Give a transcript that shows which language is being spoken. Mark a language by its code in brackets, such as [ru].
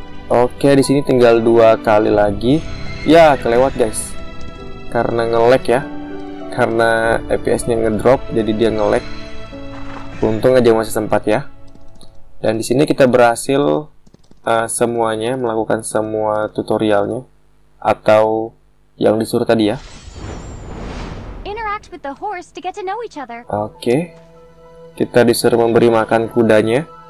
[id] Oke, di sini tinggal dua kali lagi. Ya, kelewat guys. Karena nge-lag ya. Karena FPS-nya ngedrop, jadi dia nge-lag. Untung aja masih sempat ya. Dan di sini kita berhasil semuanya, melakukan semua tutorialnya atau yang disuruh tadi ya. [en] Interact with the horse to get to know each other. [id] Oke. Kita disuruh memberi makan kudanya.